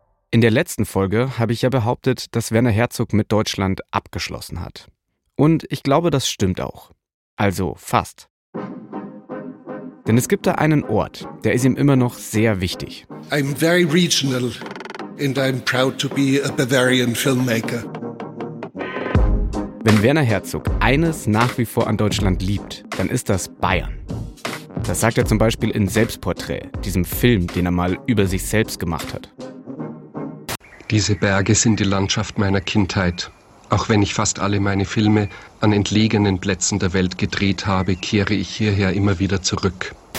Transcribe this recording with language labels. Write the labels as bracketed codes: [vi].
[de] In der letzten Folge habe ich ja behauptet, dass Werner Herzog mit Deutschland abgeschlossen hat. Und ich glaube, das stimmt auch. Also fast. Denn es gibt da einen Ort, der ist ihm immer noch sehr wichtig. [en] I'm very regional and I'm proud to be a Bavarian filmmaker. [de] Wenn Werner Herzog eines nach wie vor an Deutschland liebt, dann ist das Bayern. Das sagt er zum Beispiel in Selbstporträt, diesem Film, den er mal über sich selbst gemacht hat. Diese Berge sind die Landschaft meiner Kindheit. Auch wenn ich fast alle meine Filme an entlegenen Plätzen der Welt gedreht habe, kehre ich hierher immer wieder zurück.